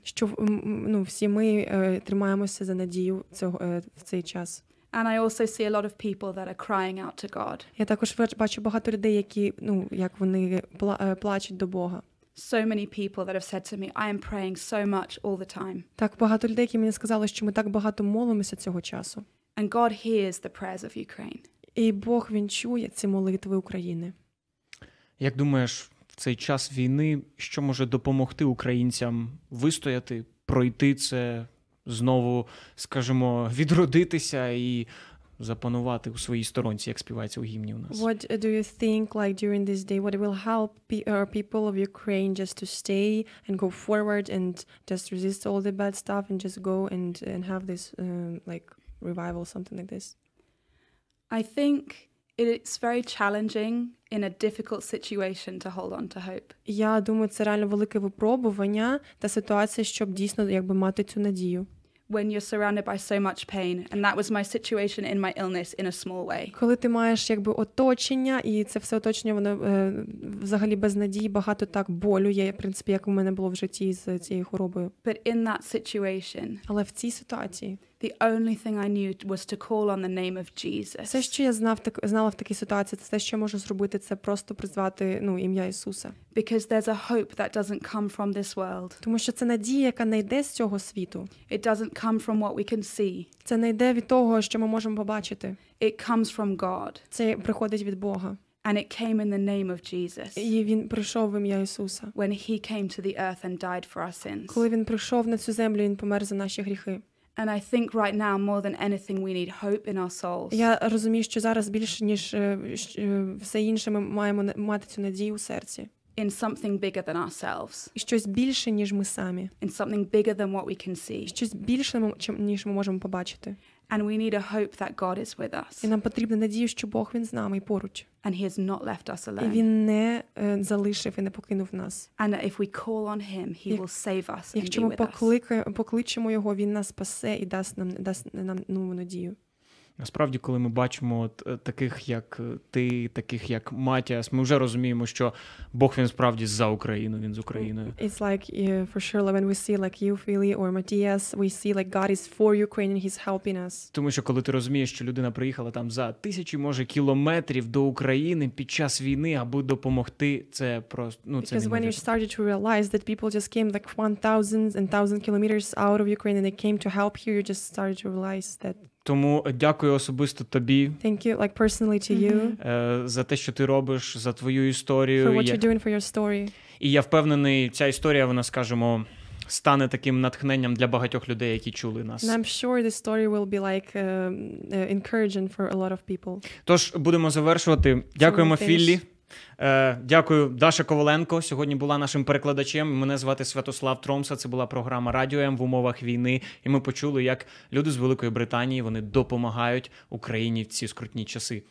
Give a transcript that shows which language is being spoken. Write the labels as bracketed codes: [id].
[uk] Що, ну, всі ми тримаємося за надію в цей час. [en] And I also see a lot of people that are crying out to God. [uk] Я також бачу багато людей, які, ну, як вони плачуть до Бога. [en] So many people that have said to me, I am praying so much all the time. [uk] Так багато людей, які мені сказали, що ми так багато молимося цього часу. [en] And God hears the prayers of Ukraine. [uk] І Бог, він чує ці молитви України. Як думаєш, в цей час війни, що може допомогти українцям вистояти, пройти це, знову, скажімо, відродитися і запанувати у своїй сторонці, як співається у гімні у нас. [en] What do you think, like, during this day, what will help people of Ukraine just to stay and go forward and just resist all the bad stuff and just go and have this, like, revival, something like this? I think it's very challenging in a difficult situation to hold on to hope. [uk] Я думаю, це реально велике випробування та ситуація, щоб дійсно, якби, мати цю надію. [en] When you're surrounded by so much pain, and that was my situation in my illness in a small way. [uk] Коли ти маєш якби оточення, і це все оточення, воно взагалі без надії, багато так болю є, в принципі, як у мене було в житті з цією хворобою. [en] But in that situation. [uk] Але в цій ситуації. [en] The only thing I knew was to call on the name of Jesus. [uk] Все, що я знала в такій ситуації, це те, що я можу зробити, це просто призвати, ну, ім'я Ісуса. [en] Because there's a hope that doesn't come from this world. [uk] Тому що це надія, яка не йде з цього світу. [en] It doesn't come from what we can see. [uk] Це не йде від того, що ми можемо побачити. [en] It comes from God. [uk] Це приходить від Бога. [en] And it came in the name of Jesus. [uk] І він прийшов в ім'я Ісуса. [en] When he came to the earth and died for our sins. [uk] Коли він прийшов на цю землю, він помер за наші гріхи. [en] And I think right now more than anything we need hope in our souls. [uk] Я розумію, що зараз більше ніж все інше ми маємо мати цю надію у серці. [en] In something bigger than ourselves. [uk] І щось більше ніж ми самі. [en] In something bigger than what we can see. [uk] Щось більше ніж ми можемо побачити. [en] And we need a hope that God is with us. [uk] І нам потрібна надія, що Бог, він з нами і поруч. [en] And he has not left us alone. [uk] І він не залишив і не покинув нас. [en] And if we call on him, he will save us. [uk] Якщо ми покличемо його, він нас спасе і дасть нам нову надію. Насправді, коли ми бачимо таких, як ти, таких, як Матіас, ми вже розуміємо, що Бог, він справді за Україну, він з Україною. [en] It's like, for sure, when we see like you, Philly, or Matthias, we see like God is for Ukraine and he's helping us. [uk] Тому що, коли ти розумієш, що людина приїхала там за тисячі, може, кілометрів до України під час війни, аби допомогти, це просто, ну, це мені. [en] Because when you started to realize that people just came like 1,000 kilometers out of Ukraine and they came to help here, you just started to realize that. [uk] Тому дякую особисто тобі. [en] Thank you, like personally to you. [uk] За те, що ти робиш, за твою історію. [en] For what you're doing for your story. [uk] І я впевнений, ця історія, вона, скажімо, стане таким натхненням для багатьох людей, які чули нас. [en] And I'm sure this story will be like encouraging for a lot of people. [uk] Тож, будемо завершувати. Дякуємо, Філлі. Дякую, Даша Коваленко. Сьогодні була нашим перекладачем. Мене звати Святослав Тромса. Це була програма «Радіо М» в умовах війни. І ми почули, як люди з Великої Британії, вони допомагають Україні в ці скрутні часи.